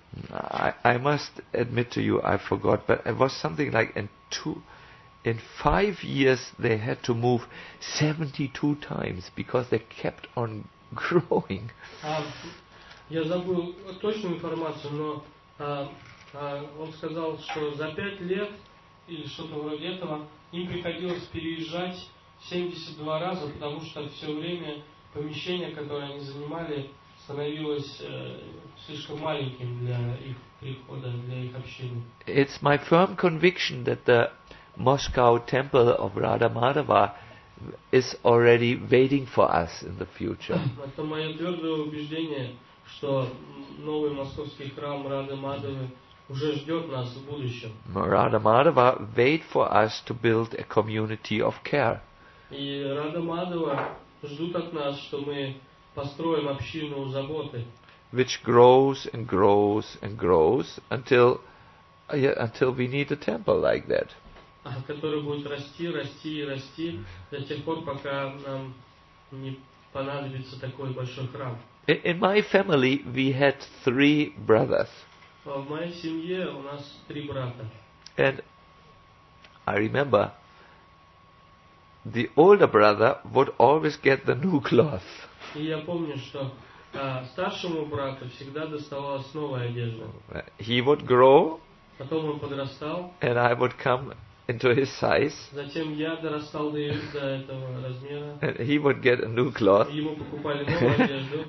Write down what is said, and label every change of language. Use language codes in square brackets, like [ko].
[en] I must admit to you, I forgot, but it was something like in 5 years they had to move 72 times because they kept on growing. [ru] Я забыл точную информацию, но он сказал, что за 5 лет или что-то вроде этого им приходилось переезжать 72 раза, потому что все время помещение, которое они занимали, становилось слишком маленьким для их прихода, для их общины. [en] It's my firm conviction that the Moscow temple of Radha Madhava is already waiting for us in the future. [ru] Это мое твердое убеждение, что новый московский храм Радхи Мадхавы уже ждет нас в будущем. [en] Radha Madhava wait for us to build a community of care. [ru] И Радхи Мадхавы ждут от нас, что мы построим общину заботы. [en] Which grows and grows and grows until we need a temple like that. [ru] Который будет расти, расти и расти до тех пор, пока нам не понадобится такой большой храм. [en] In my family we had 3 brothers. [ru] В моей семье у нас 3 брата. [en] And I remember the older brother would always get the new cloth. [ru] И я помню, что старшему брату всегда доставалась новая одежда. [en] He would grow. [ru] Потом он подрастал. [en] And I would come into his size. [ru] Затем я дорастал до этого размера. [en] And he would get a new cloth. [ru] Ему покупали новую одежду.